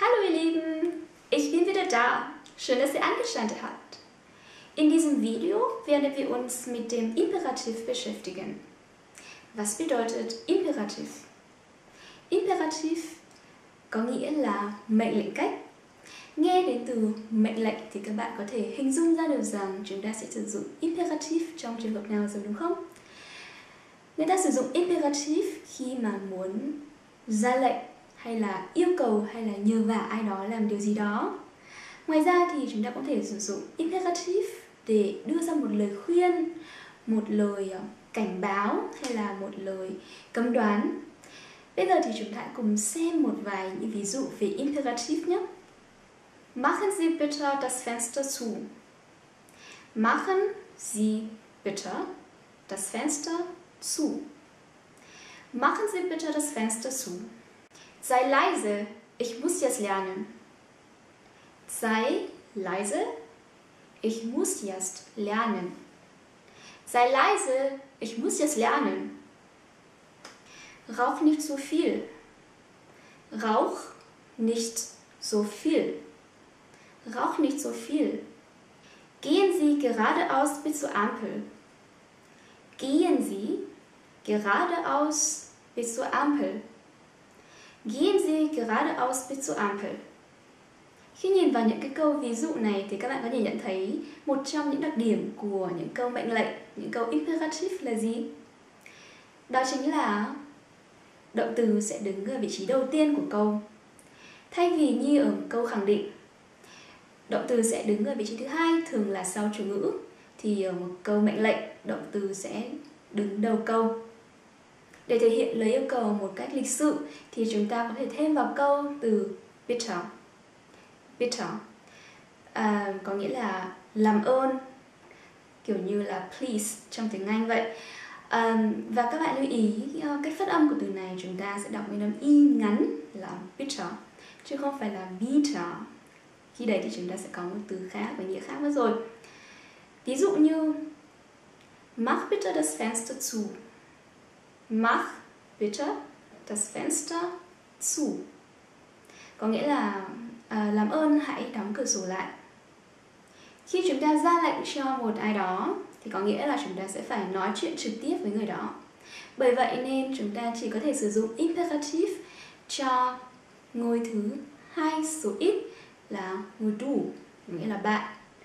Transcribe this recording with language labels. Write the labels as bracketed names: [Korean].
[German] Lieben, ich bin wieder da. Schön, dass ihr eingeschaltet habt. In diesem Video werden wir uns mit dem Imperativ beschäftigen. Was bedeutet Imperativ? [Vietnamese] Imperativ có nghĩa là mệnh lệnh cách. Nghe đến từ mệnh lệnh thì các bạn có thể hình dung ra được rằng chúng ta sẽ sử dụng Imperativ trong trường hợp nào rồi đúng không? Người ta sử dụng Imperativ khi mà muốn ra lệnh hay là yêu cầu hay là nhờ vả ai đó làm điều gì đó. Ngoài ra thì chúng ta cũng thể sử dụng imperative để đưa ra một lời khuyên, một lời cảnh báo hay là một lời cấm đoán. Bây giờ thì chúng ta cùng xem một vài những ví dụ về imperative nhé. [German] Machen Sie bitte das Fenster zu. Machen Sie bitte das Fenster zu. Machen Sie bitte das Fenster zu. Sei leise, ich muss jetzt lernen. Sei leise, ich muss jetzt lernen. Sei leise, ich muss jetzt lernen. Rauch nicht so viel. Rauch nicht so viel. Rauch nicht so viel. Gehen Sie geradeaus bis zur Ampel. Gehen Sie geradeaus bis zur Ampel. Gehen Sie geradeaus bis zur Ampel. [Vietnamese] Khi nhìn vào những cái câu ví dụ này thì các bạn có thể nhận thấy một trong những đặc điểm của những câu mệnh lệnh, những câu imperative là gì? Đó chính là động từ sẽ đứng ở vị trí đầu tiên của câu. Thay vì như ở câu khẳng định, động từ sẽ đứng ở vị trí thứ hai, thường là sau chủ ngữ, thì ở một câu mệnh lệnh, động từ sẽ đứng đầu câu. Để thể hiện lời yêu cầu một cách lịch sự thì chúng ta có thể thêm vào câu từ bitte. Bitte có nghĩa là làm ơn, kiểu như là please trong tiếng Anh vậy. Và các bạn lưu ý cách phát âm của từ này chúng ta sẽ đọc nguyên âm y ngắn là bitte chứ không phải là bitte. Khi đấy thì chúng ta sẽ có một từ khác với nghĩa khác mất rồi. Ví dụ như [German] mach bitte das Fenster zu. Mach bitte das Fenster zu. [Vietnamese] Có nghĩa là làm ơn hãy đóng cửa sổ lại. Khi chúng ta ra lệnh cho một ai đó thì có nghĩa là chúng ta sẽ phải nói chuyện trực tiếp với người đó. Bởi vậy nên chúng ta chỉ có thể sử dụng imperative cho ngôi thứ hai số ít là người đủ, nghĩa là bạn.